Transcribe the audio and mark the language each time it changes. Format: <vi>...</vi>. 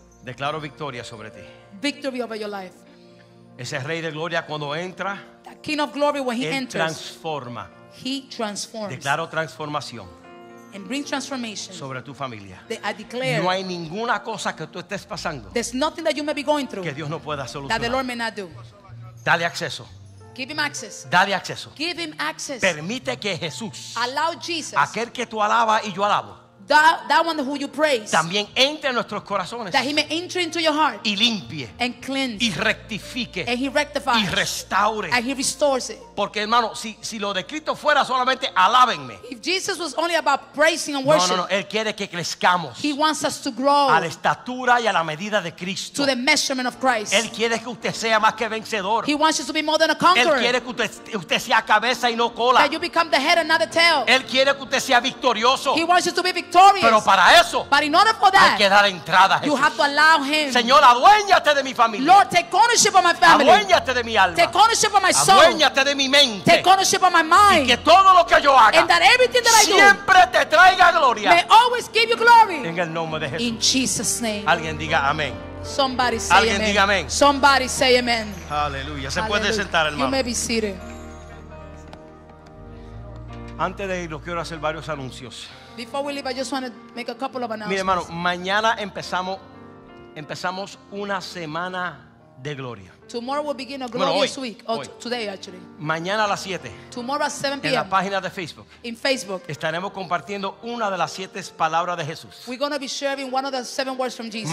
<es>Declaro victoria sobre ti.</es> <en>Victory over your life.</en> <es>Ese Rey de Gloria cuando entra.</es> <en>The King of Glory when he enters.</en> <es>Transforma.</es> <en>He transforms.</en> <es>Declaro transformación.</es> <en>And bring transformation</en> <es>sobre tu familia.</es> <en>That I declare,</en> <es>no hay ninguna cosa que tú estés pasando,</es> <en>there's nothing that you may be going through,</en> <es>que Dios no pueda solucionar,</es> <en>that the Lord may not do.</en> <es>Dale acceso.</es> <en>Give him access.</en> <es>Dale acceso.</es> <en>Give him access.</en> <es>Permite que Jesús,</es> <en>allow Jesus,</en> <es>aquel que tú alabas y yo alabo,</es> <en>that one who you praise,</en> <es>también entre en nuestros corazones,</es> <en>that he may enter into your heart,</en> <es>y limpie,</es> <en>and cleanse,</en> <es>y rectifique,</es> <en>and he rectifies,</en> <es>y restaure,</es> <en>and he restores it.</en> <es>Porque hermano, si lo de Cristo fuera solamente alábenme,</es> <en>if Jesus was only about praising and worship,</en> <es>no, él quiere que crezcamos,</es> <en>he wants us to grow,</en> <es>a la estatura y a la medida de Cristo,</es> <en>to the measurement of Christ.</en> <es>Él quiere que usted sea más que vencedor,</es> <en>he wants you to be more than a conqueror.</en> <es>Él quiere que usted sea cabeza y no cola,</es> <en>that you become the head and not the tail.</en> <es>Él quiere que usted sea victorioso,</es> <en>he wants you to be victorious.</en> <es>Pero para eso,</es> <en>but in order for that,</en> <es>hay que dar entrada,</es> <en>you have to allow him.</en> <es>Señor, aduéñate de mi familia.</es> <en>Lord, take ownership of my family.</en> <es>Aduéñate de mi alma.</es> <en>Take ownership of my soul.</en> <es>Aduéñate de mi mente.</es> <en>Take ownership of my mind.</en> <es>Y que todo lo que yo haga,</es> <en>and that everything that I do,</en> <es>siempre te traiga gloria.</es> <en>May always give you glory.</en> <es>En el nombre de Jesús.</es> <en>In Jesus' name.</en> <es>Alguien diga amén.</es> <en>Somebody say</en> <es>alguien</es> <en>amen.</en> <es>Diga amén.</es> <en>Somebody say amen.</en> <es>Aleluya. Se puede sentar, hermano.</es> <en>You may be seated.</en> <es>Antes de irnos, quiero hacer varios anuncios.</es> <en>Before we leave, I just want to make a couple of announcements.</en> <es>Mire, hermano, mañana empezamos una semana de gloria.</es> <en>Tomorrow we'll begin a glorious week. Or today, actually.</en> <es>Mañana a las 7.</es> <en>Tomorrow at 7 p.m.</en> <es>En la página de Facebook.</es> <en>In Facebook.</en> <es>Estaremos compartiendo una de las 7 palabras de Jesús.</es> <en>We're going to be sharing one of the 7 words from Jesus.</en>